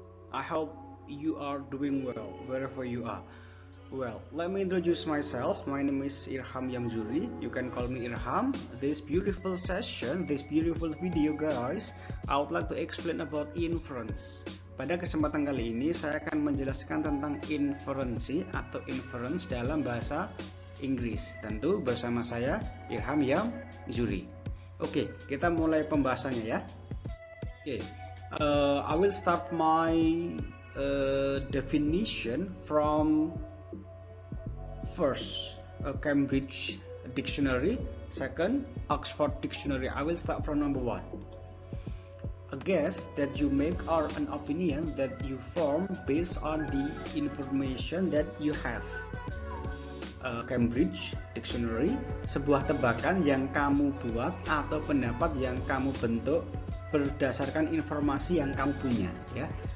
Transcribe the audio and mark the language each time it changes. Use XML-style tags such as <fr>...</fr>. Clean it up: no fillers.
<en>I hope you are doing well, wherever you are. Well, let me introduce myself. My name is Irham Yamzuri. You can call me Irham. This beautiful session, this beautiful video guys, I would like to explain about inference.</en> <id>Pada kesempatan kali ini, saya akan menjelaskan tentang inferensi atau inference dalam bahasa Inggris. Tentu bersama saya, Irham Yamzuri. Oke, kita mulai pembahasannya ya.</id> <en>Oke, I will start my definition from first Cambridge Dictionary, second Oxford Dictionary. I will start from number one. A guess that you make or an opinion that you form based on the information that you have.</en> <id>Cambridge Dictionary, sebuah tebakan yang kamu buat atau pendapat yang kamu bentuk berdasarkan informasi yang kamu punya, ya.</id>